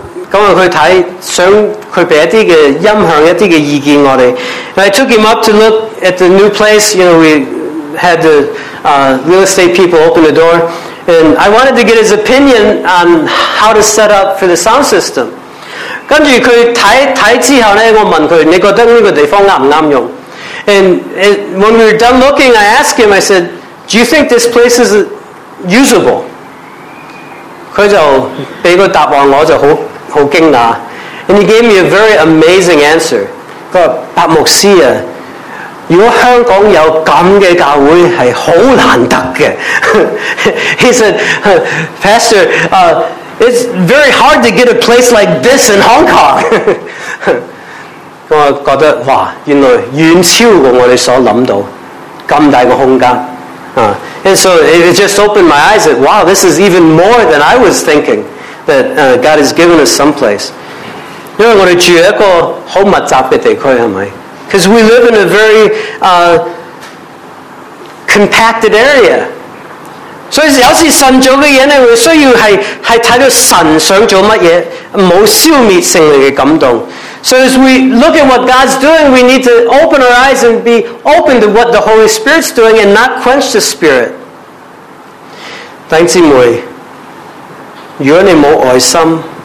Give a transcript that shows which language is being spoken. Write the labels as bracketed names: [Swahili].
[English] I took him up to look at the new place. You know, we had the real estate people open the door. And I wanted to get his opinion on how to set up for the sound system. [Cantonese] 跟着他看之后呢，我问他，你觉得这个地方合不合用？ [English] And when we were done looking, I asked him, I said, do you think this place is usable? [Cantonese] 他就给个答案，我就好。很惊讶, [English] and he gave me a very amazing answer. [Cantonese] 他说,白牧师啊, 如果香港有这样的教会是很难得的。 [English] He said, Pastor, it's very hard to get a place like this in Hong Kong. [Cantonese] 我觉得,哇, 原来远超过我们所想到,这么大的空间。 [English] And so it just opened my eyes, that, wow, this is even more than I was thinking. That God has given us someplace. Because we live in a very compacted area. So as we look at what God's doing, we need to open our eyes and be open to what the Holy Spirit's doing and not quench the Spirit. [Cantonese] 弟兄姊妹, 如果你没有爱心,